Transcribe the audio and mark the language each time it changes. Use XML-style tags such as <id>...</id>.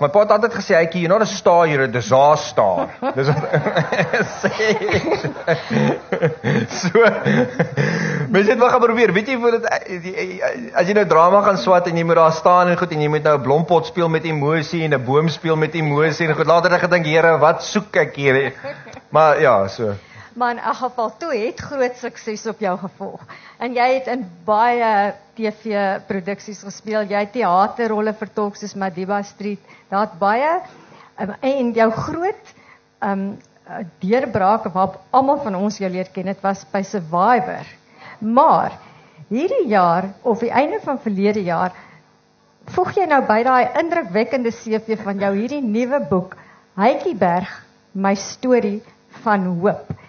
<af>My pa het altyd gesê,</af> <en>"Hey, you're not a star, you're a disaster."</en> <af>Dis wat sê. So mens het maar gaan probeer. Weet jy hoe dit as jy nou drama gaan swat en jy moet daar staan en goed en jy moet nou 'n blompot speel met emosie en 'n boom speel met emosie en goed. Later ek gedink, "Here, wat soek ek hier?" Maar ja, so. Maar in elk geval, toe het groot sukses op jou gevolg. En jy het in baie TV-produksies gespeel. Jy het theaterrolle vertolk soos Madiba Street. Daar het baie en jou groot deurbraak waarop almal van ons jou leer ken, dit was by Survivor. Maar hierdie jaar of die einde van verlede jaar voeg jy nou by daai indrukwekkende CV van jou hierdie nuwe boek, Heikieberg, my storie van hoop.</af>